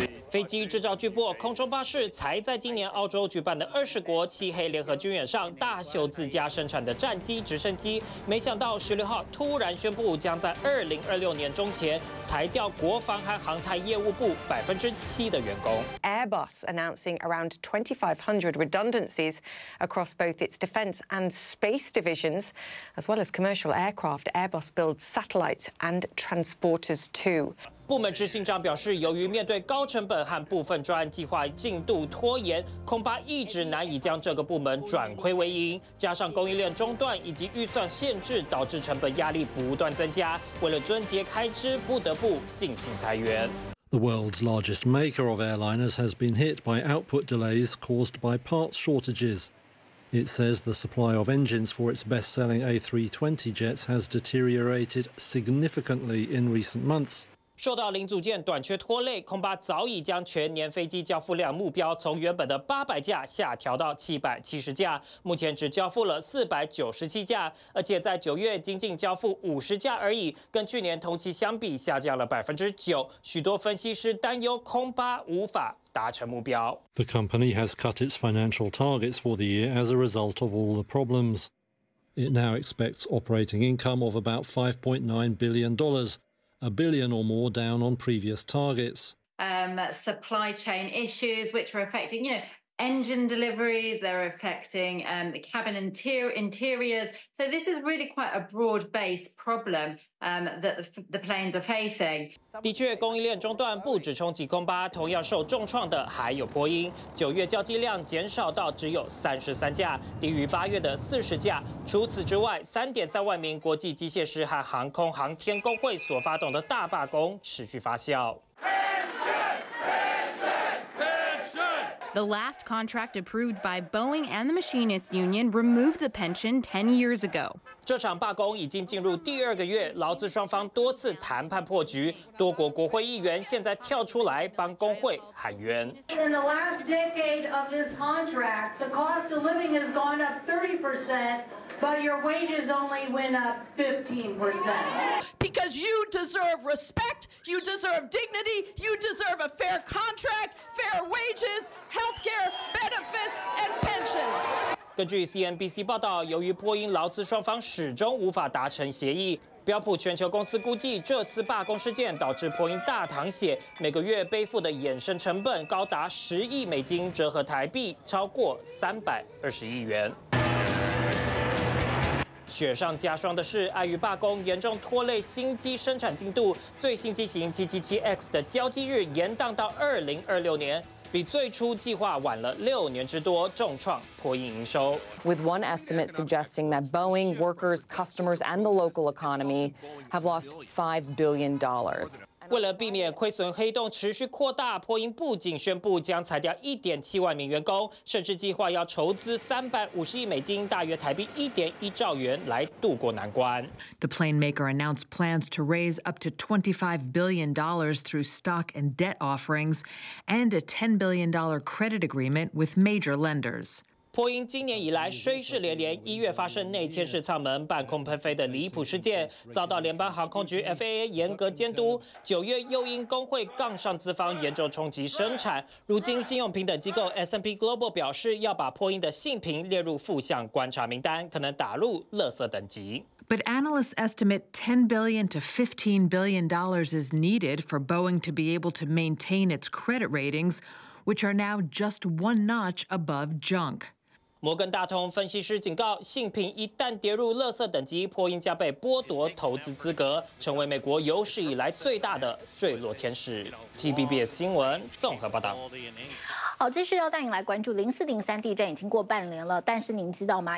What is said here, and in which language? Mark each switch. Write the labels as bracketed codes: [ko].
[zh] 飞机制造巨擘空中巴士才在今年澳洲举办的20国漆黑联合军演上大秀自家生产的战机直升机，没想到16号突然宣布将在2026年中前裁掉国防和航太业务部7%的员工。 [en] Airbus announcing around 2,500 redundancies across both its defence and space divisions, as well as commercial aircraft. Airbus builds satellites and transporters too. [zh] 部门执行长表示，由于面对高成本和部分专案计划进度拖延，恐怕一直难以将这个部门转亏为盈，加上供应链中断以及预算限制，导致成本压力不断增加，为了遵节开支不得不进行裁员。 [en] The world's largest maker of airliners has been hit by output delays caused by parts shortages. It says the supply of engines for its best-selling A320 jets has deteriorated significantly in recent months. [zh] 受到零组件短缺拖累，空巴早已将全年飞机交付量目标从原本的800架下调到770架，目前只交付了497架，而且在9月仅仅交付50架而已，跟去年同期相比下降了9%。许多分析师担忧空巴无法达成目标。 [en] The company has cut its financial targets for the year as a result of all the problems. It now expects operating income of about $5.9 billion. $1 billion or more down on previous targets. Supply chain issues, which are affecting, you know, engine deliveries, they're affecting the cabin interiors. So this is really quite a broad-based problem that the planes are facing. [zh] 的确，供应链中断不只冲击空巴，同样受重创的还有波音。九月交机量减少到只有33架，低于8月的40架。除此之外，3.3万名国际机械师和航空航天工会所发动的大罢工持续发酵。 [en] The last contract approved by Boeing and the Machinists Union removed the pension 10 years ago. [zh] 这场罢工已经进入第二个月，劳资双方多次谈判破局，多国国会议员现在跳出来帮工会喊冤。 [en] In the last decade of this contract, the cost of living has gone up 30%, but your wages only went up 15%. Because you deserve respect. You deserve dignity. You deserve a fair contract, fair wages, health care, benefits, and pensions. [zh] 根据 CNBC 报道，由于波音劳资双方始终无法达成协议，标普全球公司估计这次罢工事件导致波音大淌血，每个月背负的衍生成本高达$10亿，折合台币超过320亿元。雪上加霜的是，碍于罢工严重拖累新机生产进度，最新机型 777X 的交机日延宕到2026年，比最初计划晚了6年之多，重创波音营收。 [en] With one estimate suggesting that Boeing workers, customers, and the local economy have lost $5 billion. [zh] 为了避免亏损黑洞持续扩大，波音不仅宣布将裁掉1.7万名员工，甚至计划要筹资350亿美金，大约台币1.1兆元，来渡过难关。 [en] The plane maker announced plans to raise up to $25 billion through stock and debt offerings, and a $10 billion credit agreement with major lenders. [zh] 波音今年以来衰势连连，一月发生内嵌式舱门半空喷飞的离谱事件，遭到联邦航空局 FAA 严格监督，九月又因工会杠上资方严重冲击生产，如今信用评等机构 S&P Global 表示要把波音的信评列入负向观察名单，可能打入垃圾等级。 [en] But analysts estimate $10 billion to $15 billion is needed for Boeing to be able to maintain its credit ratings, which are now just one notch above junk. [zh] 摩根大通分析师警告，信评一旦跌入垃圾等级，波音将被剥夺投资资格，成为美国有史以来最大的坠落天使。TVBS 新闻综合报道。好，继续要带您来关注0403地震已经过半年了，但是您知道吗？